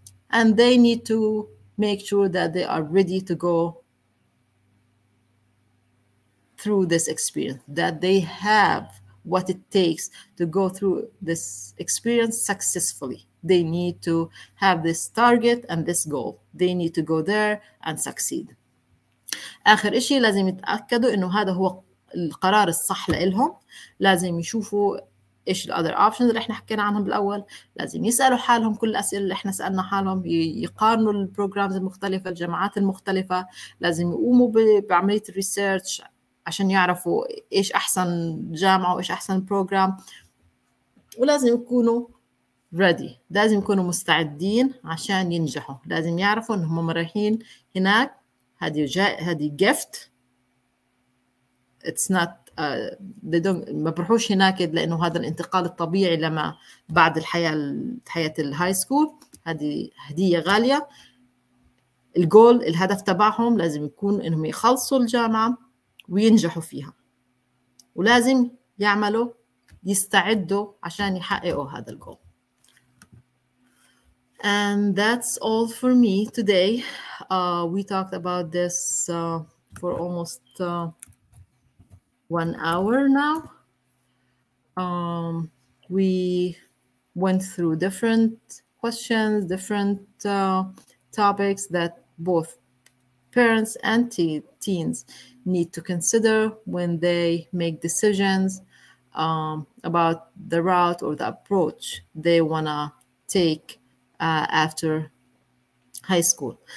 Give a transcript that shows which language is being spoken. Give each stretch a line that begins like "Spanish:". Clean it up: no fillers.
English: And they need to make sure that they are ready to go through this experience, that they have what it takes to go through this experience successfully. They need to have this target and this goal. They need to go there and succeed.
Arabic: آخر إشي لازم يتأكدوا إنه هذا هو القرار الصح لإلهم. لازم يشوفوا إيش
English: the other options
Arabic: اللي إحنا حكينا عنهم بالأول. لازم يسألوا حالهم كل الأسئلة اللي إحنا سألنا حالهم. يقارنوا البروغرامز المختلفة، الجامعات المختلفة. لازم يقوموا بعملية الريسيرش عشان يعرفوا إيش أحسن جامعة وإيش أحسن بروغرام. ولازم يكونوا ready. لازم يكونوا مستعدين عشان ينجحوا. لازم يعرفوا إنهم رايحين هناك. هذه gift.
English: It's not they don't
Arabic: ما بروحوش هناك لأنه هذا الانتقال الطبيعي لما بعد الحياة حياة الهاي سكول. هذه هدية غالية. الجول الهدف تبعهم لازم يكون إنهم يخلصوا الجامعة وينجحوا فيها. ولازم يعملوا يستعدوا عشان يحققوا هذا الجول.
English: And that's all for me today. We talked about this for almost 1 hour now. We went through different questions, different topics that both parents and teens need to consider when they make decisions about the route or the approach they want to take after high school.